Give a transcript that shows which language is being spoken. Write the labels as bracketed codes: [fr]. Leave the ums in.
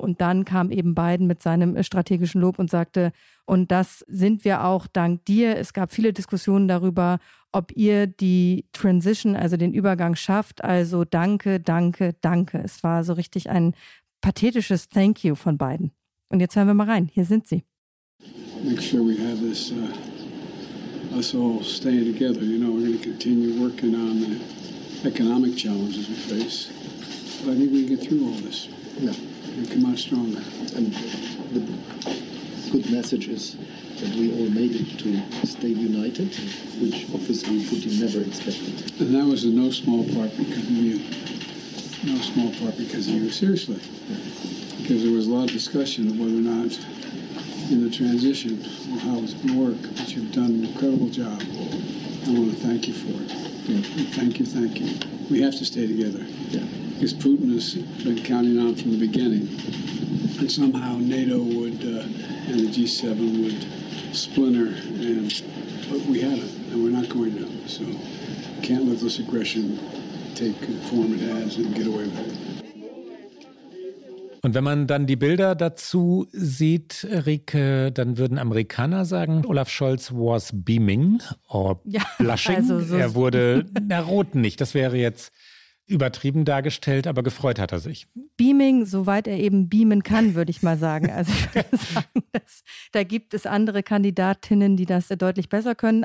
[de] Und dann kam eben Biden mit seinem strategischen Lob und sagte, und das sind wir auch dank dir. Es gab viele Diskussionen darüber, ob ihr die Transition, also den Übergang schafft. Also danke, danke, danke. Es war so richtig ein pathetisches Thank you von Biden. Und jetzt hören wir mal rein. Hier sind sie. [en] Make sure we have this. Uh us all staying together. You know, we're going to continue working on the economic challenges we face. But I think we can get through all this. Yeah. And come out stronger. And the good message is that we all made it to stay united, which obviously Putin never expected. And that was in no small part because of you. No small part because of you, seriously. Because there was a lot of discussion of whether or not in the transition well, how it's been work, but you've done an incredible job. I want to thank you for it. Yeah. Thank you, thank you. We have to stay together. Yeah. Because Putin has been counting on from the beginning and somehow NATO would uh, and the G7 would splinter, and but we haven't, and we're not going to. So we can't let this aggression take the form it has and get away with it. [de] Und wenn man dann die Bilder dazu sieht, Rike, dann würden Amerikaner sagen, Olaf Scholz [en] was beaming or [de] Ja, [en] blushing. [de] also so- er wurde, na, rot nicht. Das wäre jetzt übertrieben dargestellt, aber gefreut hat er sich. Beaming, soweit er eben beamen kann, würde ich mal sagen. Also ich würde sagen, dass, da gibt es andere Kandidatinnen, die das deutlich besser können.